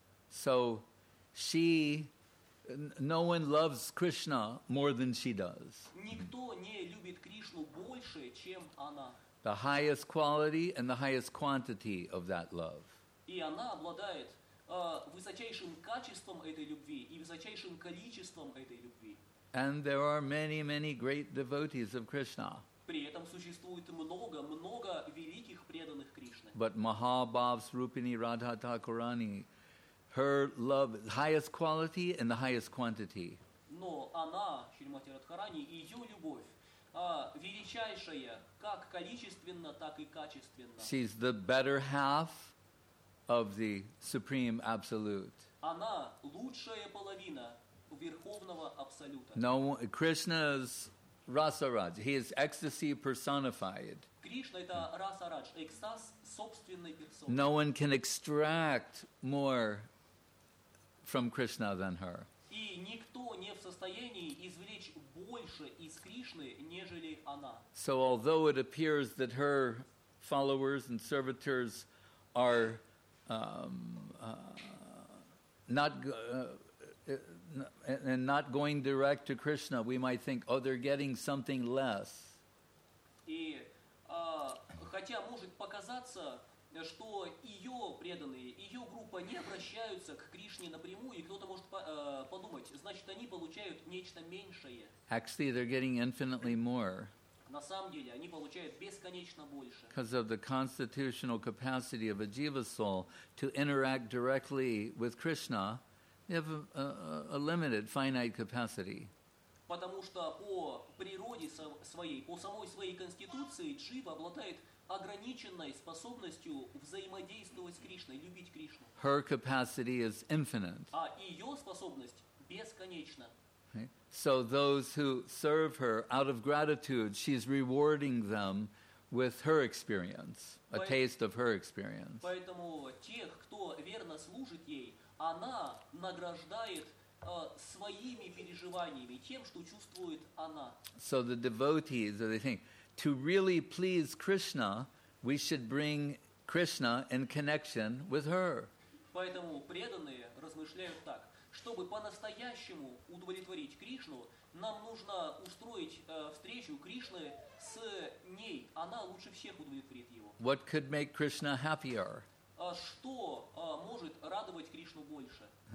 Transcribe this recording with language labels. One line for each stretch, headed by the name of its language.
English: So she, no one loves Krishna more than she does.
Russian: Никто не любит Кришну больше, чем она.
English: The highest quality and the highest quantity of that love.
Russian: И она обладает высочайшим качеством этой любви и высочайшим количеством этой любви.
English: And there are many, many great devotees of Krishna.
Russian: При этом существует много, много великих преданных Кришны.
English: But Mahabhav's Rupini Radha Thakurani, her love, highest quality and the highest quantity.
Russian: Но она, Шримати Радхарани, ее любовь величайшая, как количественно, так и качественно.
English: She's the better half of the Supreme Absolute.
Russian: Она лучшая половина Верховного Абсолюта.
English: No, Krishna's Rasaraj. He is ecstasy personified.
Russian: Кришна это Расарадж, экстаз собственной персоны.
English: No one can extract more from Krishna than her.
Russian: И никто не в состоянии извлечь больше из Кришны, нежели она.
English: So although it appears that her followers and servitors are not going direct to Krishna, we might think, oh, they're getting something less.
Russian: И хотя может показаться, что ее преданные, ее группа не обращаются к Кришне напрямую, и кто-то может подумать, значит, они получают нечто меньшее.
English: Actually, they're getting infinitely more.
Russian: На самом деле, они получают бесконечно больше.
English: Because of the constitutional capacity of a jiva soul to interact directly with Krishna, they have a limited, finite capacity.
Russian: Потому что по природе своей, по самой своей конституции, джива обладает ограниченной способностью взаимодействовать с Кришной, любить Кришну.
English: Her capacity is infinite.
Russian: А ее способность бесконечна.
English: So those who serve her out of gratitude, she's rewarding them with her experience, a taste of her experience.
Russian: Поэтому тех, кто верно служит ей, она награждает своими переживаниями, тем, что чувствует она.
English: So the devotees, they think, to really please Krishna, we should bring Krishna in connection with her.
Russian: Поэтому преданные размышляют так. Чтобы по-настоящему удовлетворить Кришну, нам нужно устроить встречу Кришны с ней. Она лучше всех удовлетворит его.
English: What could make Krishna happier?
Russian: Что может радовать Кришну больше?